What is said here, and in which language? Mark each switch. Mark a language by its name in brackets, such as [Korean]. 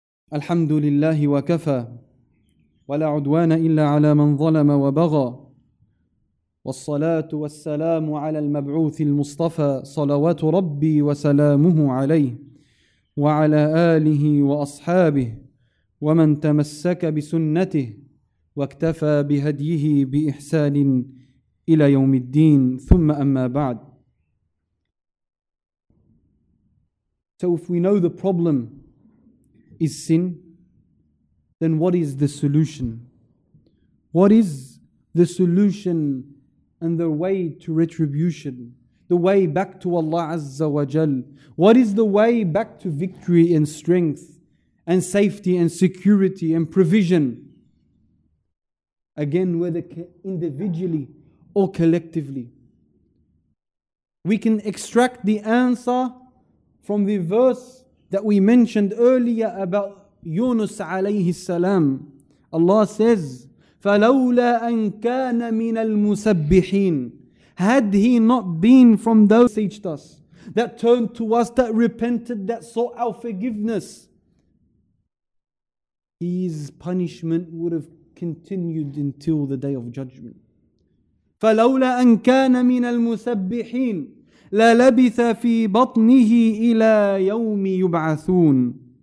[Arabic] الحمد لله وكفى ولا عدوان إلا على من ظلم وبغى والصلاة والسلام على المبعوث المصطفى صلوات ربي وسلامه عليه وعلى آله وأصحابه ومن تمسك بسنته واكتفى بهديه بإحسان إلى يوم الدين ثم أما بعد. [English] So if we know the problem is sin, then what is the solution? What is the solution and the way to retribution? The way back to Allah Azza wa Jal? What is the way back to victory and strength and safety and security and provision? Again, whether individually or collectively. We can extract the answer from the verse that we mentioned earlier about Yunus alayhi salam. Allah says, [Arabic] فَلَوْلَا أَنْ كَانَ مِنَ الْمُسَبِّحِينَ. [English] Had he not been from those who beseeched us, that turned to us, that repented, that sought our forgiveness, his punishment would have continued until the day of judgment. [Arabic] فَلَوْلَا أَنْ كَانَ مِنَ الْمُسَبِّحِينَ لَلَبِثَ فِي بَطْنِهِ إِلَىٰ يَوْمِ يُبْعَثُونَ.